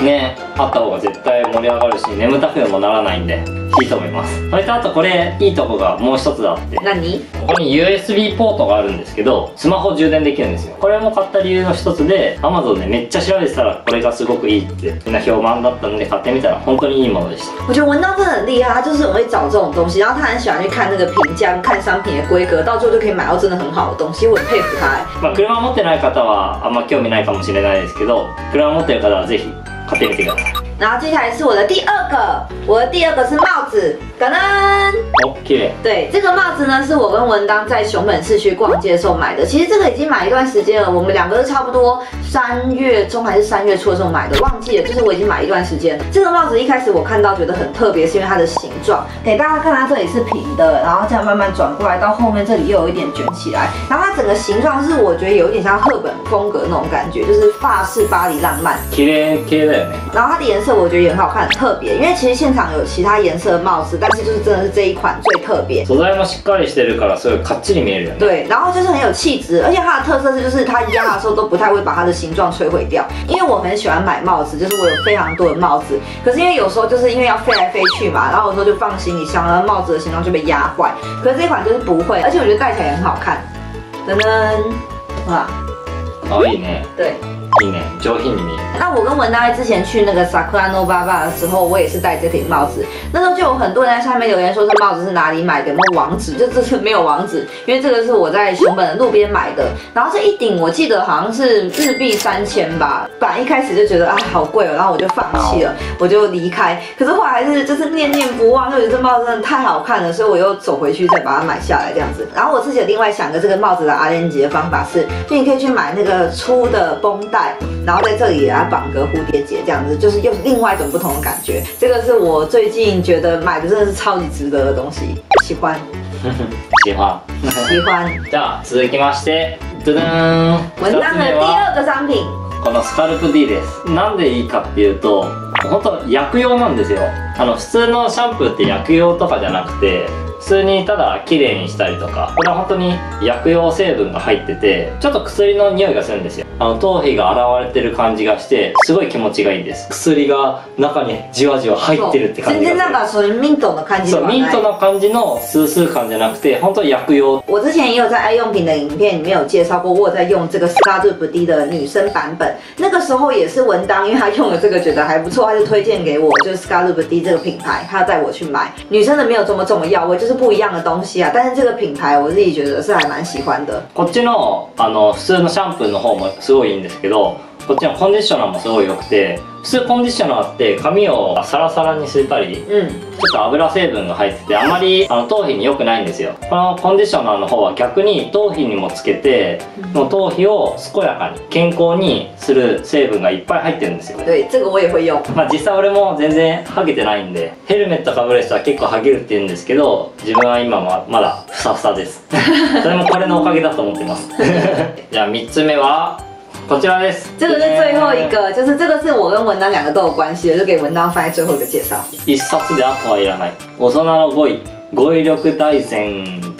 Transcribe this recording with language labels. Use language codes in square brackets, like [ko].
[ja] ね、あった方が絶対盛り上がるし、眠たくもならないんでいいと思います。それとあとこれいいとこがもう一つあって、何？ここに USB ポートがあるんですけど、スマホ充電できるんですよ。これも買った理由の一つで、 Amazon でめっちゃ調べてたらこれがすごくいいってみんな評判だったんで、買ってみたら本当にいいものでした。 [zh] 我觉得文章真的很厉害，他就是很会找这种东西，然后他很喜欢去看那个评价，看商品的规格，到最后就可以买到真的很好的东西，我很佩服他。 [ja] まあ車持ってない方はあんま興味ないかもしれないですけど、車持ってる方はぜひ買ってみてください。 [zh] 然后接下来是我的第二个，我的第二个是帽子，噔噔。 OK。对，这个帽子呢是我跟文章在熊本市区逛街的时候买的。其实这个已经买一段时间了，我们两个是差不多三月中还是三月初的时候买的，忘记了。就是我已经买一段时间。这个帽子一开始我看到觉得很特别，是因为它的形状。给大家看，它这里是平的，然后这样慢慢转过来，到后面这里又有一点卷起来。然后它整个形状是我觉得有一点像赫本风格那种感觉，就是法式巴黎浪漫。 [ja] 綺麗綺麗。 [zh] 然后它的颜色。我觉得也很好看，很特别。因为其实现场有其他颜色的帽子，但是就是真的是这一款最特别。 [ja] 素材もしっかりしてるから、それカッチリ見えるよね。 [zh] 对，然后就是很有气质，而且它的特色是，就是它压的时候都不太会把它的形状摧毁掉。因为我很喜欢买帽子，就是我有非常多的帽子，可是因为有时候就是因为要飞来飞去嘛，然后有时候就放行李箱，然后帽子的形状就被压坏。可是这一款就是不会，而且我觉得戴起来也很好看。噔噔，哇，可以呢。对。 [ja] いいね、上品に見える。 [zh] 那我跟文大之前去那个 Sakurano Baba 的时候，我也是戴这顶帽子。那时候就有很多人在下面留言说这帽子是哪里买的，没有网址，就这是没有网址，因为这个是我在熊本的路边买的。然后这一顶我记得好像是日币3000吧，本来一开始就觉得啊好贵哦，然后我就放弃了，我就离开。可是后来还是就是念念不忘，就觉得这帽子真的太好看了，所以我又走回去再把它买下来这样子。然后我自己有另外想个这个帽子的阿联杰的方法是，就你可以去买那个粗的绷带。然后在这里来绑个蝴蝶结，这样子就是又是另外一种不同的感觉。这个是我最近觉得买的真的是超级值得的东西，喜欢，喜欢，喜欢。 [ja] じゃあ続きまして、噔噔。 [zh] 文章的第二个商品， [ja] このスカルプ D です。なんでいいかっていうと、本当薬用なんですよ。あの普通のシャンプーって薬用とかじゃなくて。普通にただ綺麗にしたりとか、これは本当に薬用成分が入ってて、ちょっと薬の匂いがするんですよ。あの頭皮が現れてる感じがして、すごい気持ちがいいんです。薬が中にじわじわ入ってるって感じがする。全然なんかそういうミントの感じではない。そう、ミントの感じのスースー感じゃなくて、本当に薬用。 [zh] 我之前也有在愛用品的影片里面有介绍过、我有在用这个スカルプ D的女生版本。那个时候也是文章、因为他用了这个觉得还不错、他就推荐给我、就是スカルプ D 这个品牌、他带我去买。女生的没有这么重要味、就是不一样的东西啊，但是这个品牌我自己觉得是还蛮喜欢的。 [ja] こっちのあの普通のシャンプーの方もすごいいいんですけど、こっちのコンディショナーもすごい良くて、普通コンディショナーって髪をサラサラにするたり、ちょっと油成分が入っててあまりあの頭皮に良くないんですよ。このコンディショナーの方は逆に頭皮にもつけて、もう頭皮を健やかに健康にする成分がいっぱい入ってるんですよ。 [zh] 对，这个我也会用。 [ja] まあ実際俺も全然ハゲてないんで、ヘルメットかぶる人は結構ハゲるって言うんですけど、自分は今もまだふさふさです。それもこれのおかげだと思ってます。じゃあ三つ目は。こちらです。 [zh] 这个是最后一个，就是这个是我跟文章两个都有关系的，就给文章放在最后一个介绍。 [ja] 一冊であとはいらない。大人の語彙、語彙力大全。